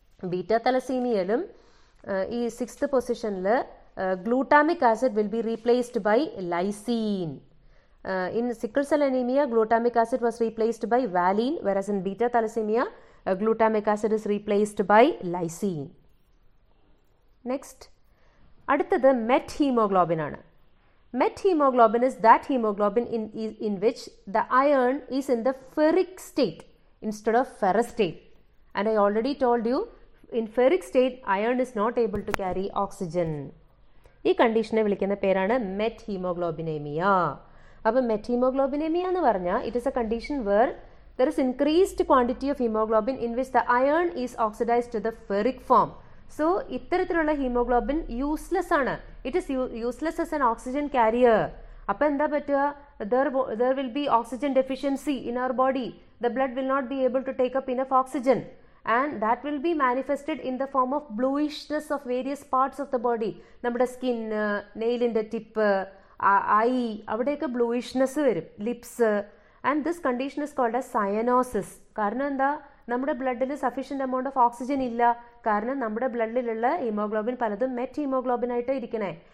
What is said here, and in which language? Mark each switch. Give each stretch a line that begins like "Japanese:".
English: Beta തലസീമിയയിലും ഈ sixth പൊസിഷനിൽ glutamic acid will be replaced by lysine. In sickle cell anaemia glutamic acid was replaced by valine, whereas in beta thalassaemia glutamic acid is replaced by lysine.
Malayalam: Next, അടുത്തത് met haemoglobin ആണ്.
English: Met hemoglobin is that hemoglobin in which the iron is in the ferric state instead of ferrous state. And I already told you, in ferric state, iron is not able to carry oxygen. This condition is called met hemoglobinemia. Met hemoglobinemia, it is a condition where there is increased quantity of hemoglobin in which the iron is oxidized to the ferric form. So,
Malayalam: ഇത്തരത്തിലുള്ള haemoglobin useless ആണ്.
English: It is useless as an oxygen carrier.
Malayalam: അപ്പം എന്താ പറ്റുക?
English: There will be oxygen deficiency in our body. The blood will not be able to take up enough oxygen. And that will be manifested in the form of bluishness of various parts of the body.
Malayalam: നമ്മുടെ skin, നെയിലിൻ്റെ tip, I, അവിടെയൊക്കെ ബ്ലൂയിഷ്നെസ് വരും. Lips.
English: And this condition is called a cyanosis.
Malayalam: കാരണം എന്താ? നമ്മുടെ ബ്ലഡിൽ sufficient amount of oxygen ഇല്ല. കാരണം നമ്മുടെ ബ്ലഡിലുള്ള ഹീമോഗ്ലോബിൻ പലതും മെറ്റ് ഹീമോഗ്ലോബിൻ ആയിട്ട് ഇരിക്കണേ.